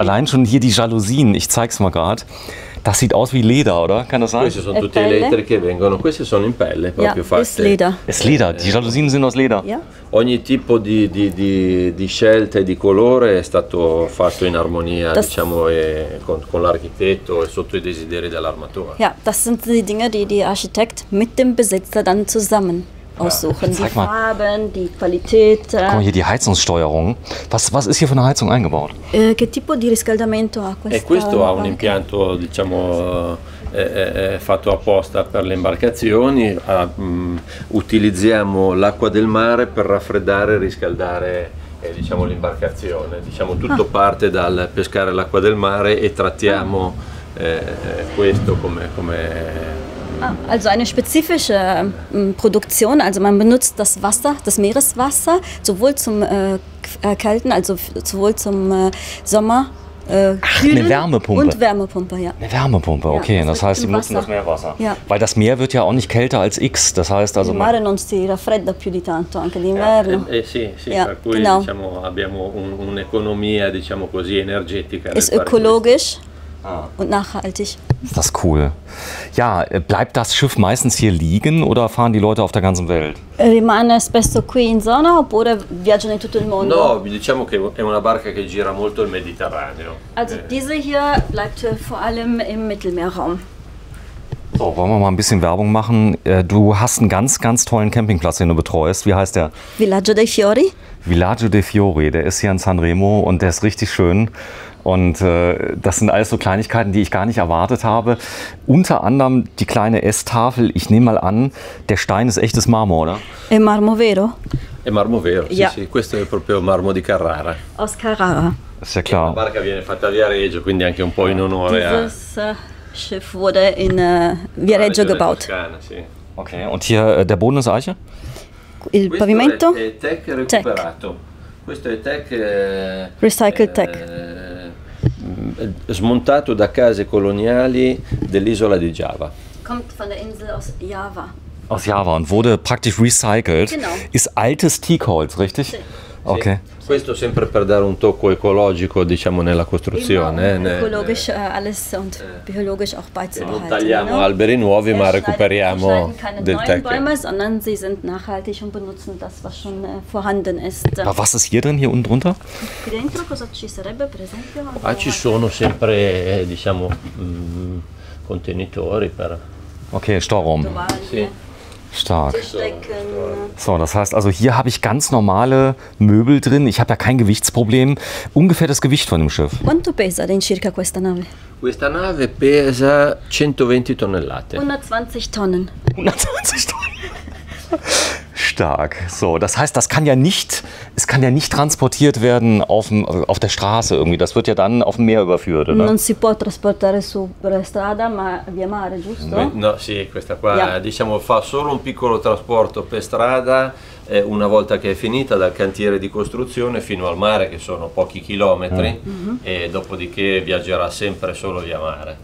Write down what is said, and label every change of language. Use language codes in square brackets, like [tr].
[de] Allein schon hier die Jalousien, ich zeig's mal gerade. Das sieht aus wie Leder, oder? Kann das sein? [it] Queste sono tutte elettriche, vengono. Queste sono in pelle, proprio fatte. [de] Ist Leder. Ist Leder. Die Jalousien sind aus Leder. Ja. [it] Ogni tipo di scelta e di colore è stato fatto in armonia, das, diciamo, con l'architetto e sotto i desideri dell'armatore. [de] Ja, das sind die Dinge, die der Architekt mit dem Besitzer dann zusammen aussuchen. Ja. Die Farben, die Qualität. Guck mal hier, die Heizungssteuerung. Was ist hier für eine Heizung eingebaut? [it] Che tipo di riscaldamento ha questa? E questo ha un impianto, diciamo, fatto apposta per le imbarcazioni. Utilizziamo l'acqua del mare per raffreddare e riscaldare, diciamo, l'imbarcazione. Diciamo, tutto parte dal pescare l'acqua del mare e trattiamo questo come [de] Also eine spezifische Produktion, also man benutzt das Wasser, das Meereswasser, sowohl zum Kälten, also sowohl zum Sommer. Ach, eine Wärmepumpe. Und Wärmepumpe, ja. Eine Wärmepumpe, okay. Ja, das heißt, sie nutzen das Meerwasser. Ja. Weil das Meer wird ja auch nicht kälter als X. Das heißt also. [it] Il mare non si raffredda più di tanto, anche l'inverno. Ja, sì, sì. Ja, per cui, genau. Diciamo, abbiamo un'economia, diciamo così, energetica. [de] Ist ökologisch. Und nachhaltig. Ist das cool. Ja, bleibt das Schiff meistens hier liegen oder fahren die Leute auf der ganzen Welt? [it] Rimane spesso qui in zona oppure viaggiano in tutto il mondo? No, diciamo che è una barca che gira molto il Mediterraneo. [de] Also diese hier bleibt vor allem im Mittelmeerraum. So, wollen wir mal ein bisschen Werbung machen. Du hast einen ganz, ganz tollen Campingplatz, den du betreust. Wie heißt der? [it] Villaggio dei Fiori. [de] Villaggio dei Fiori, der ist hier in Sanremo und der ist richtig schön. Und das sind alles so Kleinigkeiten, die ich gar nicht erwartet habe. Unter anderem die kleine Esstafel. Ich nehme mal an, der Stein ist echtes Marmor, oder? [it] È marmo vero. È marmo vero, sì, sì. Questo è proprio marmo di Carrara. [de] Aus Carrara. Ist ja klar. [it] La barca viene fatta via Reggio, quindi anche un po' in onore. [de] Dieses Schiff wurde in via Reggio gebaut. Okay, und hier der Boden ist Eiche? [it] Il pavimento? Questo è tech recuperato. Questo è tech... [en] Recycled tech. [it] Smontato da case coloniali dell'isola di Java. [de] Kommt von der Insel aus Java. Aus Java und wurde praktisch recycelt. Genau. Ist altes Teakholz, richtig? [it] Si. Ok. Questo sempre per dare un tocco ecologico, diciamo, nella costruzione. [de] Ökologisch alles und biologisch auch beizubehalten. [it] Non tagliamo alberi nuovi, ma recuperiamo del tecchio. [de] Keine neuen Bäume, sondern sie sind nachhaltig und benutzen das, was schon vorhanden ist. Ma was ist hier drin, hier unten drunter? [it] Qui dentro cosa ci sarebbe, per esempio? Ah, ci sono sempre, diciamo, contenitori per... [de] Okay, Stauraum. [it] Sì. [de] Stark. So, das heißt also, hier habe ich ganz normale Möbel drin. Ich habe ja kein Gewichtsproblem. Ungefähr das Gewicht von dem Schiff. [it] Quanto pesa denn circa questa nave? Questa nave pesa 120 Tonnellate. [de] 120 Tonnen. 120 Tonnen. Stark. So, das heißt, das kann ja nicht, es kann ja nicht transportiert werden auf der Straße irgendwie. Das wird ja dann auf dem Meer überführt, oder? [it] Non si può trasportare sulla strada, ma via mare, giusto? No, sì, questa qua, yeah. Diciamo, fa solo un piccolo trasporto per strada una volta che è finita dal cantiere di costruzione fino al mare, che sono pochi chilometri, e dopodiché viaggerà sempre solo via mare.